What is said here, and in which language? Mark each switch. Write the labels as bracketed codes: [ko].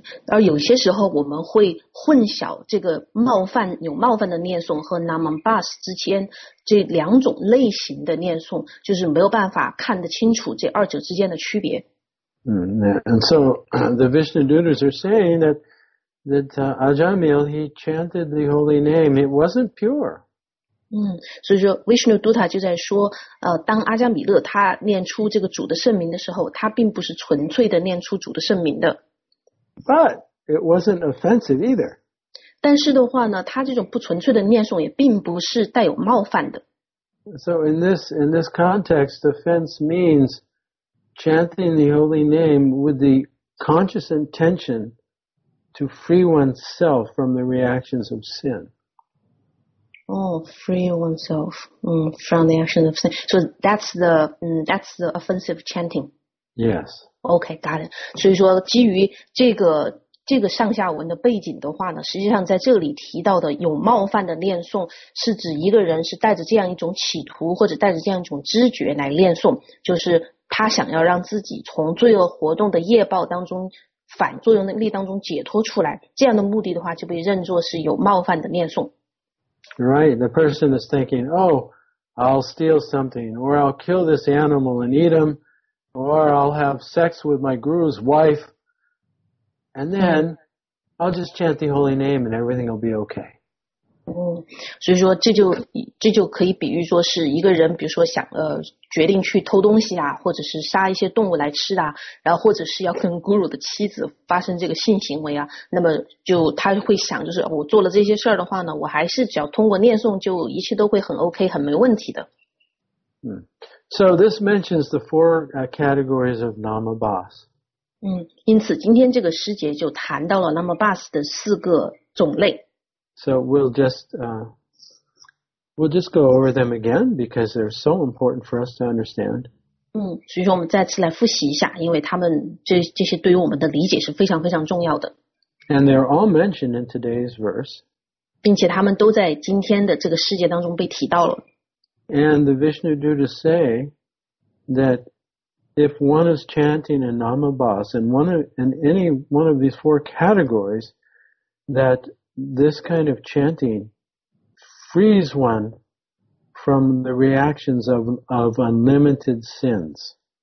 [zh] 而有些时候我们会混淆这个冒犯有冒犯的念诵和 Namabhas 之间这两种类型的念诵就是没有办法看得清楚这二者之间的区别 [en] And so the Vishnu Dutas are saying that Ajamil he chanted the holy name it wasn't pure [zh] 所以说 Vishnu Dutta 就在说当阿加米勒他念出这个主的圣名的时候他并不是纯粹的念出主的圣名的 [en] But it wasn't offensive either [zh] 但是的话呢他这种不纯粹的念诵也并不是带有冒犯的 [en] So in this context offense means chanting the holy name with the conscious intention to free oneself from the reactions of sin Oh, free oneself from the action of sin. So that's the offensive chanting. Yes. Okay, got it. [zh] 所以说基于这个上下文的背景的话呢，实际上在这里提到的有冒犯的念诵，是指一个人是带着这样一种企图或者带着这样一种知觉来念诵，就是他想要让自己从罪恶活动的业报当中反作用力当中解脱出来，这样的目的的话就被认作是有冒犯的念诵。 [en] Right, the person is thinking, oh, I'll steal something, or I'll kill this animal and eat him, or I'll have sex with my guru's wife, and then I'll just chant the holy name and everything will be okay. [zh] 所以说这就可以比喻说是一个人比如说想决定去偷东西啊，或者是杀一些动物来吃啊，然后或者是要跟 guru 的妻子发生这个性行为啊，那么就他会想就是我做了这些事儿的话呢，我还是只要通过念诵就一切都会很 OK 很没问题的。 [en] So this mentions the four categories of Namabhas. [zh] 因此今天这个师节就谈到了 Namabhas 的四个种类。 [en] So we'll just go over them again because they're so important for us to understand. [zh] 所以说我们再次来复习一下，因为他们这些对于我们的理解是非常非常重要的。 [en] And they're all mentioned in today's verse. [zh] 并且他们都在今天的这个世界当中被提到了。 [en] And the Vishnu Dutas say that if one is chanting a Namabhas in any one of these four categories, that this kind of chanting frees one from the reactions of unlimited sins.